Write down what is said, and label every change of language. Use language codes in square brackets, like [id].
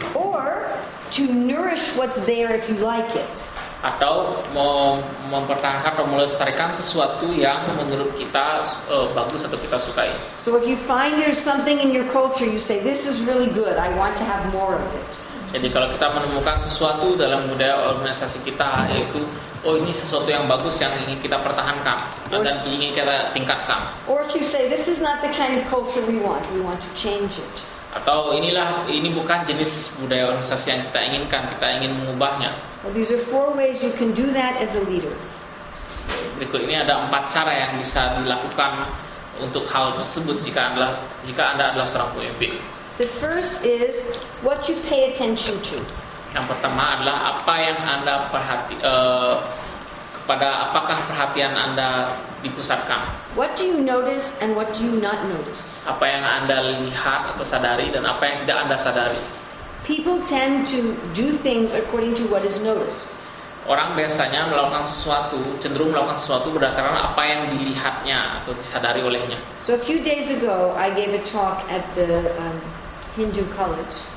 [en] Or to nourish what's there if you like it. [id] Atau mempertahankan atau melestarikan sesuatu yang menurut kita bagus atau kita sukai. [en] So if you find there's something in your culture, you say this is really good. I want to have more of it. [id] Jadi kalau kita menemukan sesuatu dalam budaya organisasi kita, yaitu oh ini sesuatu yang bagus yang ingin kita pertahankan dan ingin kita tingkatkan. [en] Or if you say this is not the kind of culture we want to change it. [id] Atau inilah ini bukan jenis budaya organisasi yang kita inginkan, kita ingin mengubahnya. [en] Well, these are four ways you can do that as a leader. [id] Berikut ini ada empat cara yang bisa dilakukan untuk hal tersebut jika Anda adalah seorang pemimpin. [en] The first is what you pay attention to. [id] Yang pertama adalah apa yang Anda perhati kepada apakah perhatian Anda dipusatkan. [en] What do you notice and what do you not notice? [id] Apa yang Anda lihat atau sadari dan apa yang tidak Anda sadari? [en] People tend to do things according to what is noticed. [id] Orang biasanya melakukan sesuatu, cenderung melakukan sesuatu berdasarkan apa yang dilihatnya atau disadari olehnya. [en] So a few days ago, I gave a talk at the Hindu College.